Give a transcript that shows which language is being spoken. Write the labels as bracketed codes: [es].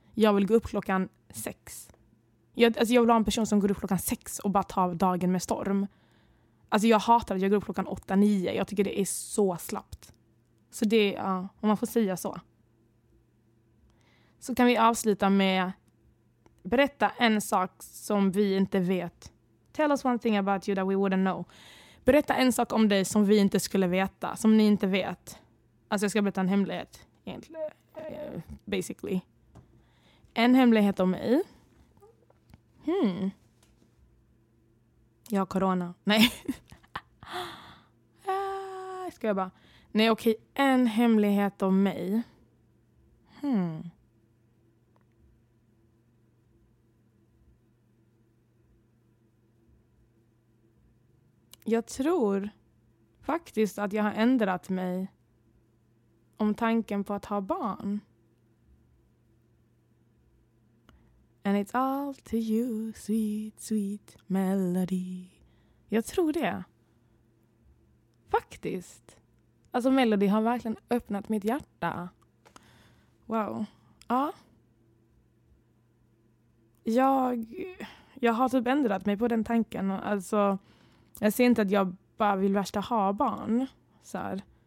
[sv] Jag vill gå upp klockan 6. Jag vill ha en person som går upp klockan 6 och bara tar dagen med storm. Alltså jag hatar att jag går upp klockan 8-9. Jag tycker det är så slappt. Så det är, om man får säga så. Så kan vi avsluta med berätta en sak som vi inte vet. [en] Tell us one thing about you that we wouldn't know. [sv] Berätta en sak om dig som vi inte skulle veta, som ni inte vet. Alltså jag ska berätta en hemlighet. Basically. En hemlighet om mig. Jag har corona. Nej. Ska jag bara. Nej, okej. En hemlighet om mig. Jag tror faktiskt att jag har ändrat mig om tanken på att ha barn. [en] And it's all to you, sweet, sweet melody. [sv] Jag tror det. Faktiskt. Alltså melody har verkligen öppnat mitt hjärta. Wow. Ja. Jag har typ ändrat mig på den tanken. Alltså, jag ser inte att jag bara vill värsta ha barn. Så här.